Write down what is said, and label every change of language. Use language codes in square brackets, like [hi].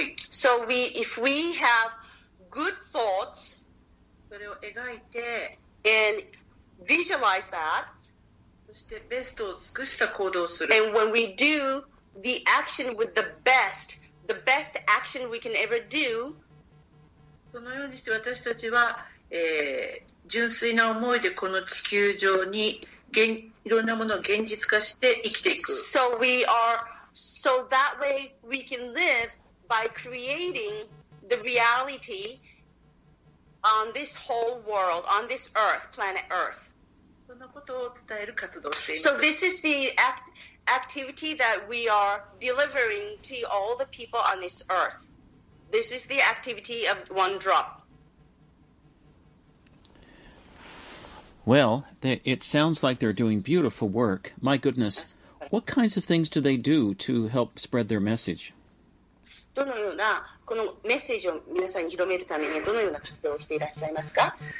[en] So we, if we have good thoughts, and visualize that, and when we do the action with the best action we can ever do, [ja] そのようにして私たちは、純粋な思いでこの地球上にいろんなものを現実化して生きていく。 [en] So we are, so that way we can live by creating the reality on this whole world, on this earth, planet earth. [ja] そのことを伝える活動をしています。 [en] So this is the activity that we are delivering to all the people on this earth. This is the activity of one drop. Well, it sounds like they're doing beautiful work. My goodness, what kinds of things do they do to help spread their message? [ja] どのようなこのメッセージを皆さんに広めるためにどのような活動をしていらっしゃいますか？